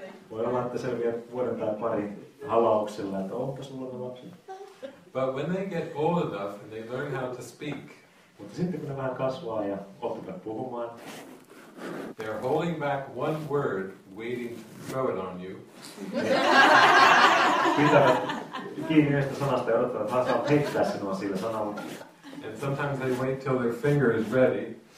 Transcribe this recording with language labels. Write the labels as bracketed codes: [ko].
[fi] Voi olla, että selviä vuoden tai pari halauksella, että onpa sulla ne lapsi. [en] But when they get old enough and they learn how to speak, [fi] mutta sitten kun ne vähän kasvaa ja oppivat puhumaan, [en] they're holding back one word, waiting to throw it on you. [fi] Pitävät kiinni yhdestä sanasta ja odottavat, että saa heittää sinua sillä sanalla. [en] And sometimes they wait till their finger is ready.